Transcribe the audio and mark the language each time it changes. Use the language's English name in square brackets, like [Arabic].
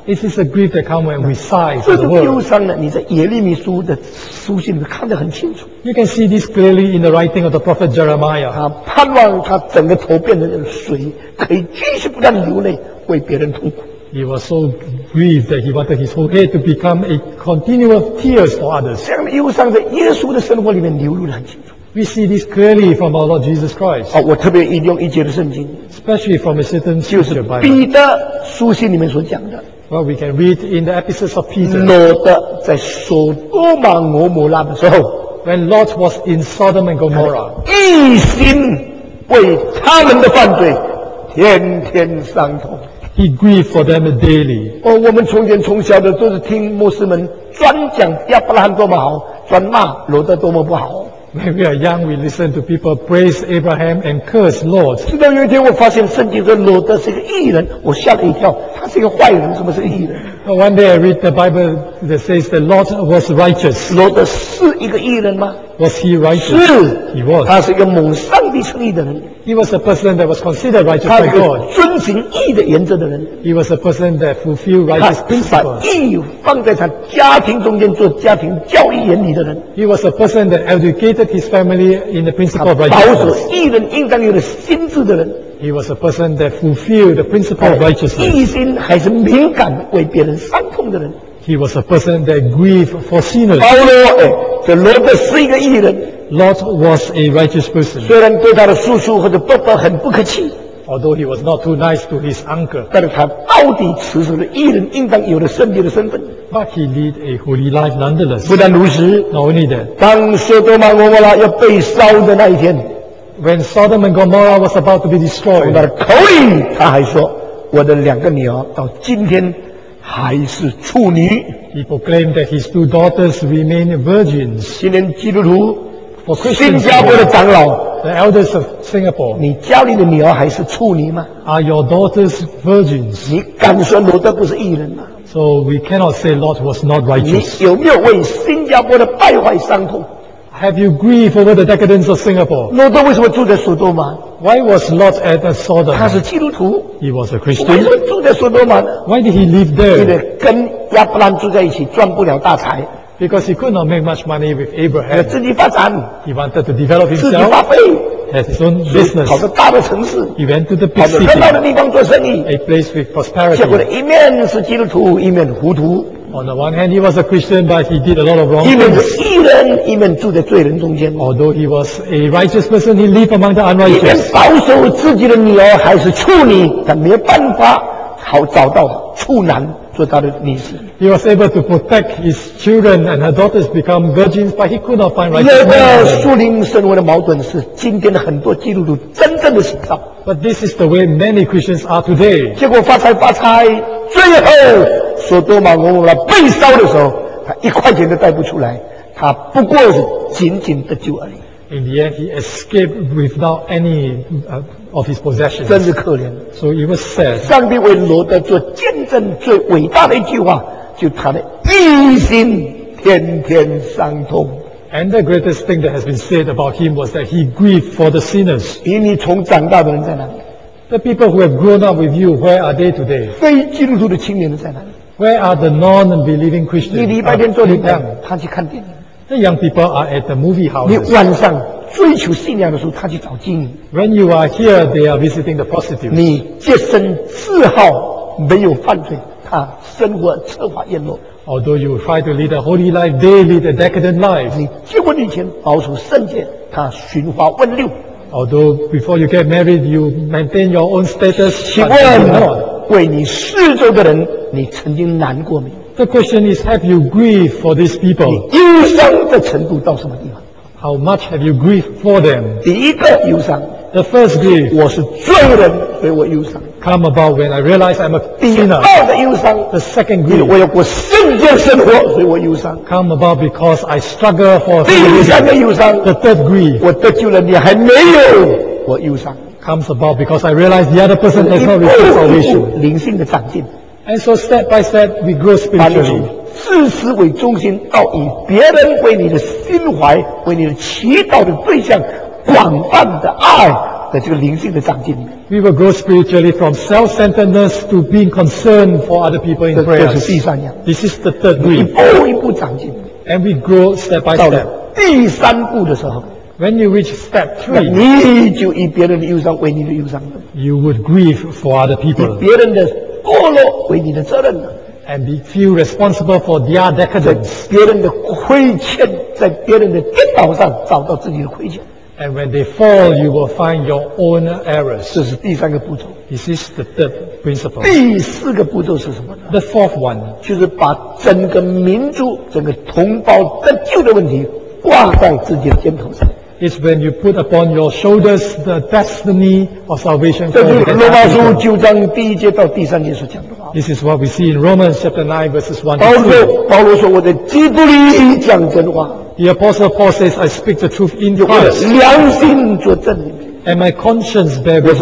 [English] This is a grief that comes when we sigh for the world. [Chinese] 这种忧伤呢，你在耶利米书的书信里面看得很清楚。 [English] You can see this clearly in the writing of the prophet Jeremiah. [Chinese] 他盼望他整个头变成水，可以继续不断流泪为别人痛苦。 [English] He was so grieved that he wanted his whole head to become a continual tears for others. [Chinese] 这样的忧伤在耶稣的生活里面流露得很清楚。 [English] We see this clearly from our Lord Jesus Christ. [Chinese] 我特别引用一节的圣经 [English] ，especially from a certain scripture Bible. [Chinese] 就是彼得书信里面所讲的。 [English] Well, we can read in the epistles of Peter. [Chinese] 罗德在索多玛、俄摩拉的时候 [English] ，when Lot was in Sodom and Gomorrah, [Chinese] 一心为他们的犯罪，天天伤痛。 [English] He grieved for them daily. [Chinese] 我们从前从小的都是听牧师们专讲亚伯拉罕多么好，专骂罗德多么不好。 [English] When we are young, we listen to people praise Abraham and curse Lot. [Chinese] 直到有一天，我发现圣经说罗德是个义人，我吓了一跳。他是一个坏人，怎么是义人 [English] ？One day I read the Bible that says that Lot was righteous. [Chinese] 罗德是一个义人吗 [English] ？Was he righteous? [Chinese] 是 [English] ，He was. [Chinese] 他是一个蒙上帝称义的人。 [English] He was a person that was considered righteous by God. [Chinese] 遵循义的原则的人。 [English] He was a person that fulfilled righteous principles. [Chinese] 他把义放在他家庭中间做家庭教义原理的人。 [English] He was a person that educated his family in the principle of righteousness. [Chinese] 他保守义人应当有的心智的人。 [English] He was a person that fulfilled the principle of righteousness. [Chinese] 义心还是敏感为别人伤痛的人。 [English] He was a person that grieved for sinners. [Chinese] 保罗，这罗德是一个义人。 [English] Lot was a righteous person. [Chinese] 虽然对他的叔叔或者伯伯很不客气 [English] ，although he was not too nice to his uncle， [Chinese] 但是他到底持守了义人应当有的圣洁的身份。 [English] But he led a holy life nonetheless. [Chinese] 不但如此 [English] ，not only that， [Chinese] 当索多玛、俄摩拉要被烧的那一天 [English] ，when Sodom and Gomorrah was about to be destroyed， [Chinese] 从他的口里他还说，我的两个女儿到今天还是处女。 [English] He proclaimed that his two daughters remain virgins. [Chinese] 今天基督徒。新加坡的长老 [English] ，The elders of Singapore， [Chinese] 你家里的女儿还是处女吗 [English] ？Are your daughters virgins？ [Chinese] 你敢说罗德不是义人吗 [English] ？So we cannot say Lot was not righteous。 [Chinese] 你有没有为新加坡的败坏伤痛 [English] ？Have you grieved over the decadence of Singapore？ [Chinese] 罗德为什么住在索多玛 [English] ？Why was Lot at Sodom？ [Chinese] 他是基督徒。 [English] He was a Christian。 [Chinese] 为什么住在索多玛 [English] ？Why did he live there？ [Chinese] 因为跟亚伯兰住在一起赚不了大财。 [English] Because he could not make much money with Abraham. [Chinese] 自己发展。 [English] He wanted to develop himself. [Chinese] 自己发挥。 [English] Has his own business. [Chinese] 跑到大的城市。 [English] He went to the big city. [Chinese] 跑到热闹的地方做生意。 [English] A place with prosperity. [Chinese] 结果一面是基督徒，一面糊涂。 [English] On the one hand, he was a Christian, but he did a lot of wrong things. [Chinese] 一面是义人，一面住在罪人中间。 [English] Although he was a righteous person, he lived among the unrighteous. [Chinese] 一面保守自己的女儿还是处女，他没有办法好找到处男。 [English] He was able to protect his children and her daughters become virgins, but he could not find righteousness. But this is the way many Christians are today. [Chinese] 结果发财发财，最后索多玛、俄摩拉被烧的时候，他一块钱都带不出来，他不过是仅仅得救而已。 [English] In the end, he escaped without any of his possessions. [Chinese] 真是可怜。 [English] So it was sad. [Chinese] 上帝为罗德做见证最伟大的一句话，就他的一心天天伤痛。 [English] And the greatest thing that has been said about him was that he grieved for the sinners. [Chinese] 比你从长大的人在哪里？ [English] The people who have grown up with you, where are they today? [Chinese] 非基督徒的青年在哪里？ [English] Where are the non-believing Christians? [Chinese] 你礼拜天做礼拜，他去看电影。 [English] The young people are at the movie house. [Chinese] 你晚上追求信仰的时候，他去找经营。 [English] When you are here, they are visiting the prostitutes. [Chinese] 你洁身自好，没有犯罪，他生活奢华艳落。 [English] Although you try to lead a holy life, they lead a decadent life. [Chinese] 你结婚以前保守圣洁，他寻花问柳。 [English] Although before you get married, you maintain your own status. [Chinese] 请问为你四周的人，你曾经难过没有？ [English] The question is, have you grieved for these people? [Chinese] 你忧伤的程度到什么地方？ [English] How much have you grieved for them? [Chinese] 第一个忧伤， [English] The first grief, [Chinese] 我是罪人，所以我忧伤。 [English] Come about when I realize I'm a sinner. [Chinese] 第二个忧伤， [English] The second grief, [Chinese] 我要过圣洁生活，所以我忧伤。 [English] Come about because I struggle for [Chinese] sin. 第三个忧伤， [English] The third grief, [Chinese] 我得救了你还没有，我忧伤。 [English] Comes about because I realize the other person has not received salvation. [Chinese] 灵性的长进。 [English] And so step by step we grow spiritually. [Chinese] 把你自私为中心，到以别人为你的心怀、为你的祈祷的对象、广泛的爱的这个灵性的长进。 [English] We will grow spiritually from self-centeredness to being concerned for other people in prayer. [Chinese] 这是第三样。 [English] This is the third way. [Chinese] 一步一步长进。 [English] And we grow step by step. [Chinese] 到了第三步的时候。 [English] When you reach step three, [Chinese] 你就以别人的忧伤为你的忧伤。 [English] You would grieve for other people. [Chinese] 以别人的堕落为你的责任。 [English] And be feel responsible for their decadence. [Chinese] 在别人的亏欠，在别人的跌倒上找到自己的亏欠。 [English] And when they fall, you will find your own errors. [Chinese] 这是第三个步骤。 [English] This is the third principle. [Chinese] 第四个步骤是什么呢？ [English] The fourth one. [Chinese] 就是把整个民族、整个同胞得救的问题挂在自己的肩头上。 [English] It's when you put upon your shoulders the destiny of salvation for the entire world. [Chinese] 这就是罗马书九章第一节到第三节所讲的话。 [English] This is what we see in Romans chapter 9 verses 1 to 2. [Chinese] 保罗说我在基督里讲真话。 [English] The apostle Paul says, I speak the truth in Christ. [Chinese] 我良心作证里面。 [English] And my conscience bear witness.